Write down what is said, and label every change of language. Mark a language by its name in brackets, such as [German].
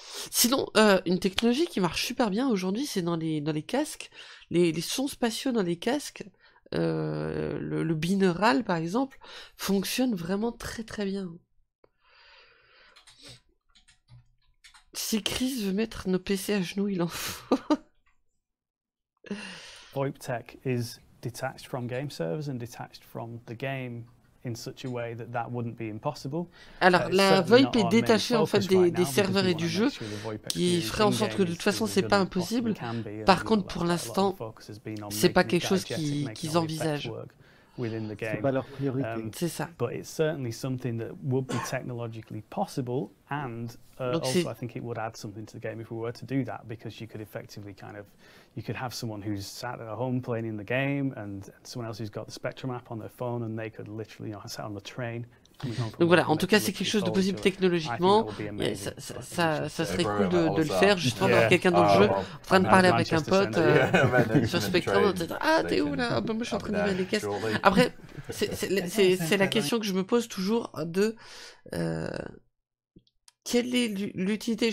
[French] Sinon, une technologie qui marche super bien aujourd'hui, c'est dans les casques, les sons spatiaux dans les casques, le binaural par exemple, fonctionne vraiment très très bien. Si Chris veut mettre nos PC à genoux, il en faut. [English] VoIP tech is detached from game servers and detached from the game. In such a way that that wouldn't be impossible. [French] Alors, la VoIP est détachée en fait des serveurs et du jeu, qui ferait en sorte que de toute façon c'est pas impossible. Par contre, pour l'instant, c'est pas quelque chose qu'ils envisagent. C'est pas leur priorité. C'est ça. [English] But it's certainly something that would be technologically possible, and also I think it would add something to the game if we were to do that, because you could effectively kind of, you could have someone who's sat at home playing in the game, and someone else who's got the Spectrum app on their phone, and they could literally, you know, sit on the train. [French] Donc voilà, en tout cas, c'est quelque chose de possible technologiquement. Et ça serait cool de le faire, justement, d'avoir quelqu'un dans le jeu en train de parler avec un pote sur Spectrum. Ah, t'es où là? Moi, je suis en train de lire les caisses. Après, c'est la question que je me pose toujours de quelle est l'utilité?